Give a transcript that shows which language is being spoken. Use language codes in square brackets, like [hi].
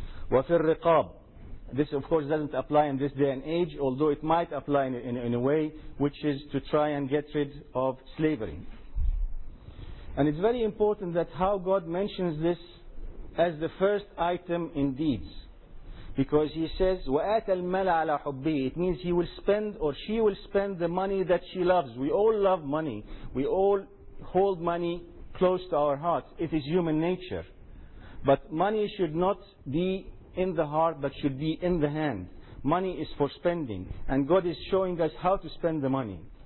[ar] وفي الرقاب, [en] this of course doesn't apply in this day and age, although it might apply in a way, which is to try and get rid of slavery. And it's very important that how God mentions this as the first item in deeds. Because he says, [ar] وَآتَ الْمَلَ عَلَىٰ حُبِّهِ. [en] It means he will spend, or she will spend, the money that she loves. We all love money. We all hold money close to our hearts. It is human nature. But money should not be in the heart, but should be in the hand. Money is for spending. And God is showing us how to spend the money.